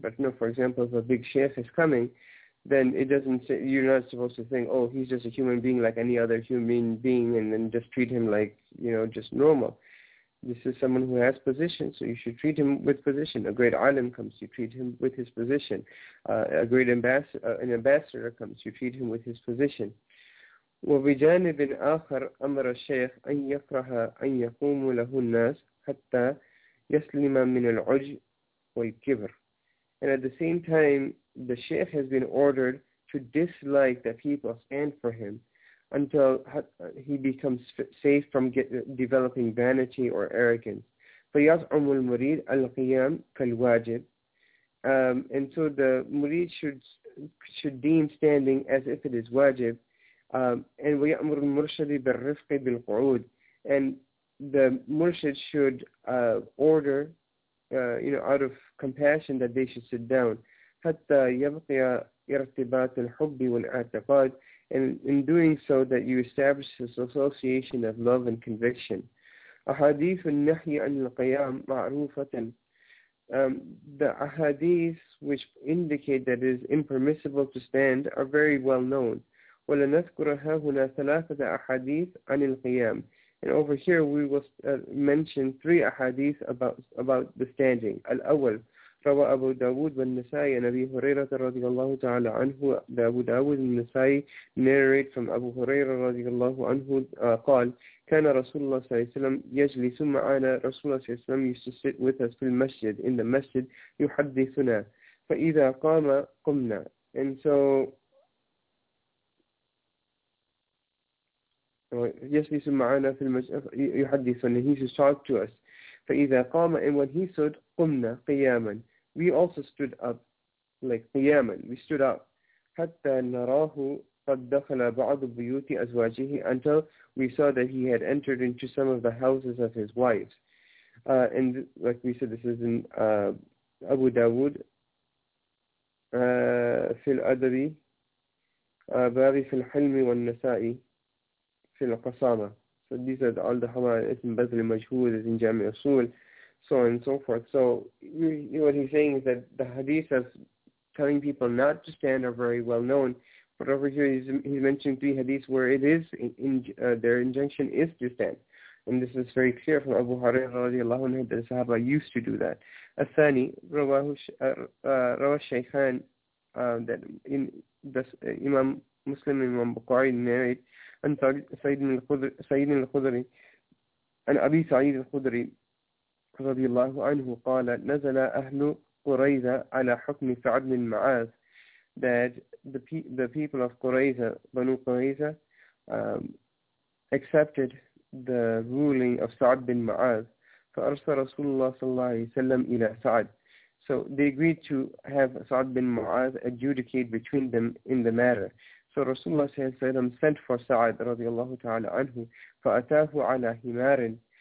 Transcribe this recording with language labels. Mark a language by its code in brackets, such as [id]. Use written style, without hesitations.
[en] But you know, for example, if a big sheikh is coming, then it doesn't say, you're not supposed to think, oh, he's just a human being like any other human being, and then just treat him like, you know, just normal. This is someone who has position, so you should treat him with position. A great alim comes, you treat him with his position. A great ambassador comes, you treat him with his position. [ar] وبجانب آخر أمر الشيخ أن يكره أن يقوم له الناس حتى يسلم من العجب والكبر. [en] And at the same time, the sheikh has been ordered to dislike the people stand for him until he becomes safe from developing vanity or arrogance. [ar] فيزعم المريد القيام كالواجب. [en] And so the murid should deem standing as if it is wajib. [ar] And ويأمر المرشد بالرفق بالقعود. [en] And the murshid should order, out of compassion, that they should sit down. [ar] حتى يبقي ارتباط الحب والاعتقاد. [en] And in doing so, that you establish this association of love and conviction. [ar] أحاديث النهي عن القيام معروفة. [en] The ahadith which indicate that it is impermissible to stand are very well known. [ar] ولنذكرها هنا ثلاثة أحاديث عن القيام. [en] And over here we will mention three ahadith about the standing. [ar] الأول روى أبو داود والنسائي عن أبي هريرة رضي الله تعالى عنه. أبو داود النسائي [en] narrate from [ar] أبو هريرة رضي الله عنه قال كان رسول الله صلى الله عليه وسلم يجلس معنا. رسول الله صلى الله عليه وسلم [en] used to sit with us [ar] في المسجد, [en] in the masjid, [ar] يحدثنا. فإذا قام قمنا. [en] And so [ar] يجلس معنا في المسجد يحدثنا, [en] he used to talk to us. [ar] فإذا قام, [en] and when he stood, [ar] قمنا قياما, [en] we also stood up. like [ar] قياما. [en] We stood up. [ar] حتى نراه قد دخل بعض بيوت أزواجه, [en] until we saw that he had entered into some of the houses of his wives. And like we said, this is in Abu Dawood. [ar] في الأدب باري في الحلم والنسائي في القصامة. [en] So these are all the [ar] حمار اسم بذل مجهود [en] in جامع أصول, so on and so forth. So what he's saying is that the hadith of telling people not to stand are very well known, but over here he's mentioned three hadiths where it is their injunction is to stand, and this is very clear from Abu Hurairah radiallahu anhu that the Sahaba used to do that. [ar] الثاني روى الشيخان [en] that in this Imam Muslim and Imam Bukhari narrate and Sayyidin al-Khudri and Abi Sa'id al-Khudri [ar] رضي الله عنه قال نزل أهل قريظة على حكم سعد بن معاذ, [en] that the people of قريظة بنو قريظة accepted the ruling of سعد بن معاذ. [ar] فأرسل رسول الله صلى الله عليه وسلم إلى سعد. [en] So they agreed to have سعد بن معاذ adjudicate between them in the matter. So Rasulullah [ar] صلى الله عليه وسلم [en] sent for سعد رضي الله تعالى عنه [ar] فأتاه على حمار.